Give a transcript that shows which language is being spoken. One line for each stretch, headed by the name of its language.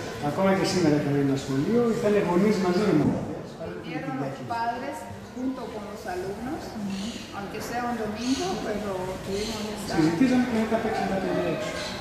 Greek: Ακόμα και σήμερα έχουμε ένα σχολείο, ήθελε γονείς μαζί με μαθητές.
Spanish: Vinieron los padres junto con los alumnos, aunque sea un domingo, pero tuvimos esta...
Greek: Συζητήσαμε και μετά παίξαμε τα παιδιά έξω.